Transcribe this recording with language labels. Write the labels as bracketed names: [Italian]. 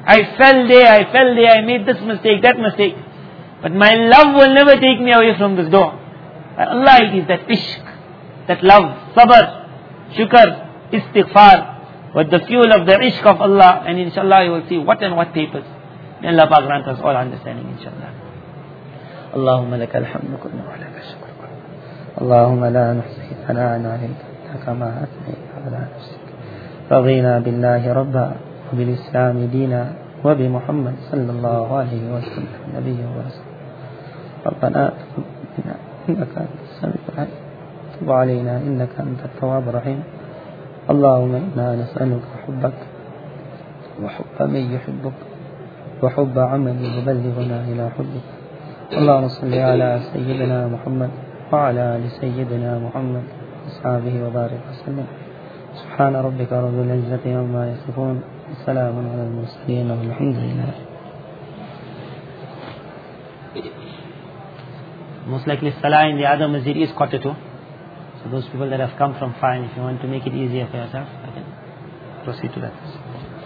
[English] I fell there, I made this mistake, that mistake. But my love will never take me away from this door. Allah, it is that ishq, that love, sabr, shukr, istighfar, with the fuel of the ishq of Allah. And inshallah, you will see what and what papers. May Allah grant us all understanding, inshallah. [Arabic] اللهم لك الحمد كل ما لك الشكر كل اللهم لا نحصي ثناء عليك كما أثنيت على نفسك رضينا بالله ربا وبالإسلام دينا وبمحمد صلى الله عليه وسلم نبيه ورسوله ربنا تقبل منا إنك أنت السميع العليم تب علينا إنك أنت التواب الرحيم اللهم إنا نسألك حبك وحب من يحبك وحب عمل يبلغنا إلى حبك اللهم صل على سيدنا محمد وعلى آل سيدنا محمد وصحبه وبارك وسلم سبحان ربك رب العزة عما يصفون السلام على المرسلين والحمد لله. [English] Most likely Salah in the other masjid is quarter two. So those people that have come from fine, if you want to make it easier for yourself, I can proceed to that.